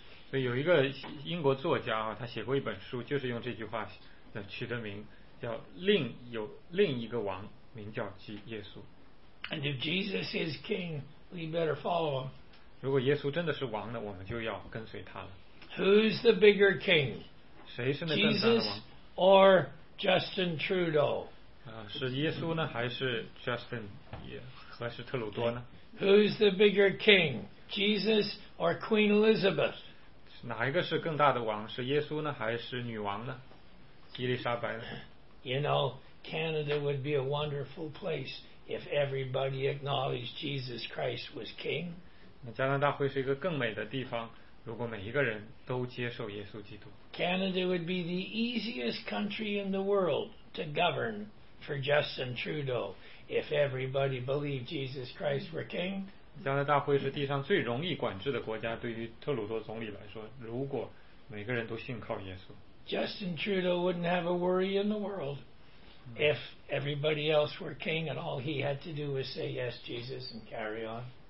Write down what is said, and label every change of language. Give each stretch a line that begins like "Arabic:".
Chinese: 所以有一个英国作家啊，他写过一本书，就是用这句话取的名，叫另一个王，名叫耶稣。
English: And if Jesus is king, we better follow him.
Chinese: 如果耶稣真的是王呢，我们就要跟随他了。
English: Who's the bigger king?
Chinese: 谁是那更大的王？
English: Jesus or Justin Trudeau?
Chinese: 是耶稣呢，还是 Justin 也还是特鲁多呢？
English: Who's the bigger king, Jesus or Queen Elizabeth?
Chinese: 哪一个是更大的王，是耶稣呢，还是女王呢，伊丽莎白呢？
English: You know, Canada would be a wonderful place if everybody acknowledged Jesus Christ was king.
Chinese: 那加拿大会是一个更美的地方，如果每一个人都接受耶稣基督。
English: Canada would be the easiest country in the world to govern for Justin Trudeau if everybody believed Jesus Christ were king.
Chinese: 加拿大会是地上最容易管制的国家，对于特鲁多总理来说，如果每个人都信靠耶稣。
English: Justin Trudeau wouldn't have a worry in the world if everybody else were king and all he had to do was say yes, Jesus, and carry on.